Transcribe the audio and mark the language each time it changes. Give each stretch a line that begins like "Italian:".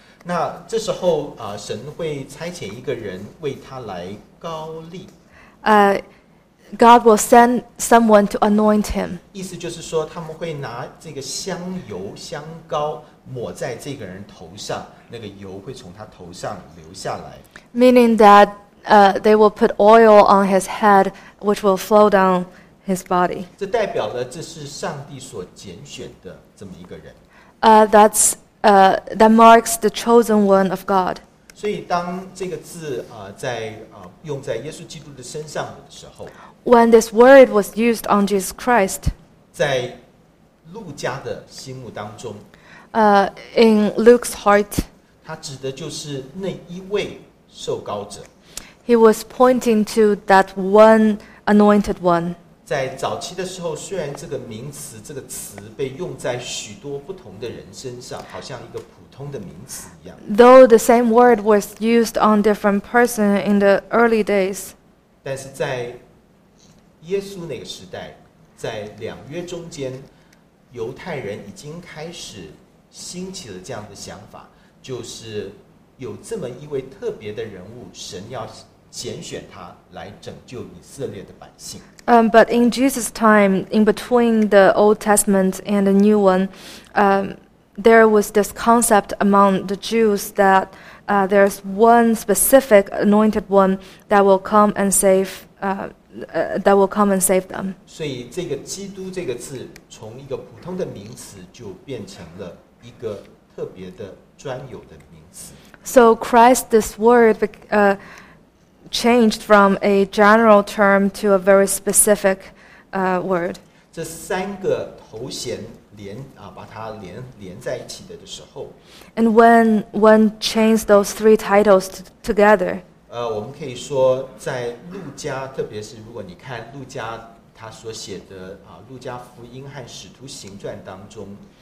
Chinese: 那这时候啊，神会差遣一个人为他来高立。
English: God will send someone to anoint him.
Chinese: 意思就是说，他们会拿这个香油、香膏抹在这个人头上，那个油会从他头上流下来。
English: Meaning that, they will put oil on his head, which will flow down his body.
Chinese: 这代表了这是上帝所拣选的这么一个人。
English: That marks the chosen one of God.
Chinese: 所以当这个字用在耶稣基督的身上的时候。
English: When this word was used on Jesus Christ,
Chinese: 在路加的心目当中,
English: in Luke's heart,
Chinese: 他指的就是那一位受膏者。
English: He was pointing to that one anointed one.
Chinese: 在早期的时候，虽然这个名词、这个词被用在许多不同的人身上，好像一个普通的名词一样。
English: Though the same word was used on different person in the early days,
Chinese: 但是在耶稣那个时代，在两约中间，犹太人已经开始兴起了这样的想法，就是有这么一位特别的人物，神要拣选他来拯救以色列的百姓。
English: But in Jesus' time, in between the Old Testament and the New One, there was this concept among the Jews that there's one specific anointed one that will come and save. That will come and save them.
Chinese: 所以这个基督这个字从一个普通的名词就变成了一个特别的专有的名词。
English: So Christ, this word, changed from a general term to a very specific, word.
Chinese: 这三个头衔把它连在一起的时候。
English: And when one chains those three titles together.
Chinese: 我们可以说在路加，特别是如果你看路加他所写的路加福音和使徒行传当中，